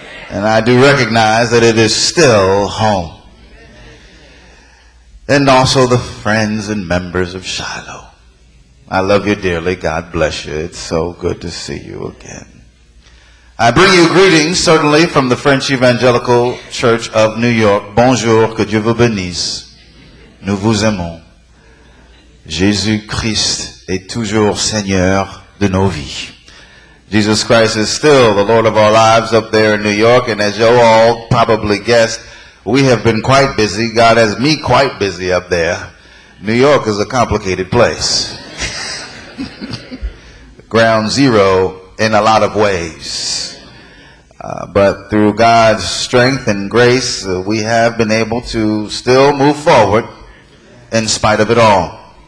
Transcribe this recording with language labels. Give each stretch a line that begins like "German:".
English: And I do recognize that it is still home. And also the friends and members of Shiloh. I love you dearly. God bless you. It's so good to see you again. I bring you greetings, certainly, from the French Evangelical Church of New York.
French: Bonjour, que Dieu vous bénisse. Nous vous aimons. Jésus Christ est toujours Seigneur de nos vies.
English: Jesus Christ is still the Lord of our lives up there in New York, and as you all probably guessed, we have been quite busy. God has me quite busy up there. New York is a complicated place. Ground zero in a lot of ways. But through God's strength and grace, we have been able to still move forward in spite of it all.